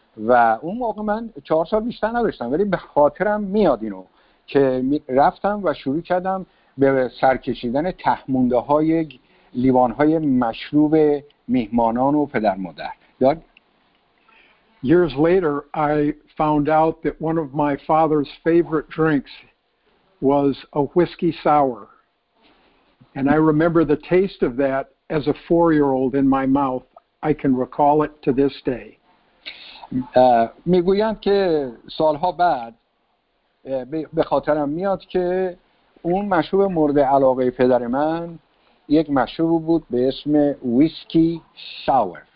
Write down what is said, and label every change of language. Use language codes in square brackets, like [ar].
[fa] و اون موقع من 4 سال بیشتر نداشتم، ولی به خاطرم میاد اینو که رفتم و شروع کردم به سرکشیدن تهمونده های لیوان های مشروب میهمانان و پدر مادر. [en] Doug? Years later I found out that one of my father's favorite drinks was a whiskey sour and I remember the taste of that as a 4-year-old in my mouth. I can recall it to this day. [fa] میگویند که سالها بعد به خاطرم میاد که اون مشروب مورد علاقه پدر من یک مشروب بود به اسم ویسکی ساور.